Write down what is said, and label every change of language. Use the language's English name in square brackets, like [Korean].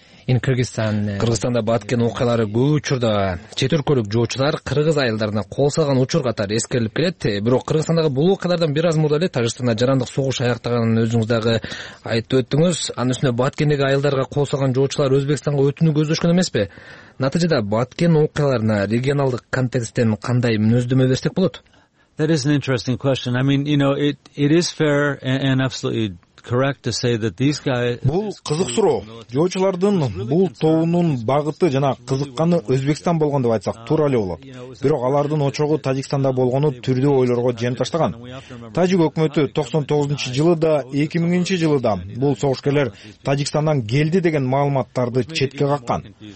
[Kyrgyz] Кыргызстанда Баткен окуялары көп учурда чет өлкөлүк жоочулар кыргыз айылдарына кол салган учур катары эскерилип келет. Бирок Кыргызстандагы бул окуялардан бир аз мурда эле Тажикстанда жарандык согуш аяктаганын өзүңүз дагы айтып өттүңүз. Анын үстүнө Баткендеги айылдарга кол салган жоочулар Өзбекстанга өтүнүү көздөшкөн эмеспи? Натыйжада Баткен окуяларына регионалдык контексттен кандай мүнөздөмө берсек болот? [English] That is an interesting question. It is fair and absolutely correct to say that these guys [Kyrgyz] бул кызык суроо. Жоочулардын бул тобунун багыты жана кызыкканы Өзбекстан болгон деп айтсак туура эле болот. Бирок алардын очогу Тажикстанда болгону түрдүү ойлорго жем таштаган. Тажик өкмөтү 99-чу жылы да 2000-чү жылы да бул согушкерлер Тажикстандан келди деген маалыматтарды четке каккан.